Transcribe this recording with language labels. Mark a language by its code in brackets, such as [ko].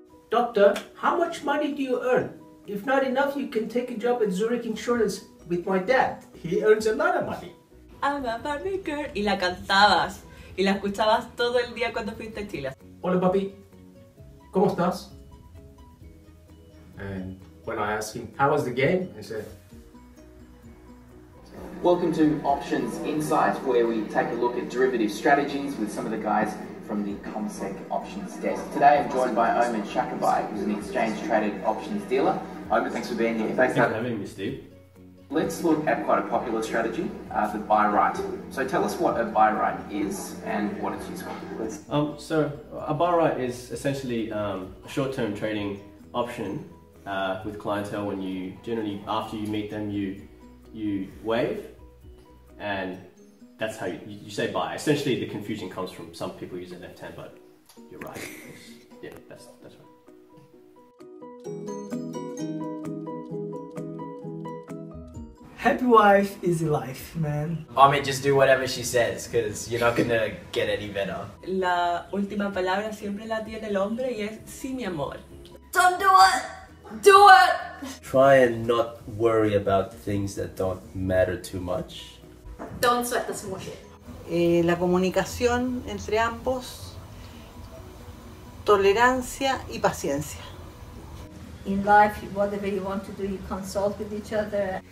[en] Doctor, how much money do you earn? If not enough, you can take a job at Zurich Insurance with my dad. He earns a lot of money. I'm a Barbie girl. [es] Y la cantabas. Y la escuchabas todo el día cuando fuiste a Chile. Hola, papi. ¿Cómo estás? [en] And when I asked him, how was the game? He said, welcome to Options Insights, where we take a look at derivative strategies with some of the guys from the ComSec Options Desk. Today I'm joined by Omid Shakabai, who's an exchange-traded options dealer. Omid, thanks for being here. Thanks for having me, Steve. Let's look at quite a popular strategy, the buy right. So tell us what a buy right is and what it's used for. So a buy right is essentially a short-term trading option with clientele when you generally, after you meet them, you wave, and that's how you say buy. Essentially, the confusion comes from some people use a left hand, but you're right. Yeah, that's right. Happy wife, easy life, man. I mean, just do whatever she says, because you're not gonna get any better. [es] La última palabra siempre la tiene el hombre, y es sí, mi amor. [en] Don't do it. Do it. Try and not worry about things that don't matter too much. Don't sweat the small shit. [es] La comunicación entre ambos, tolerancia y paciencia. [en] In life, whatever you want to do, you consult with each other.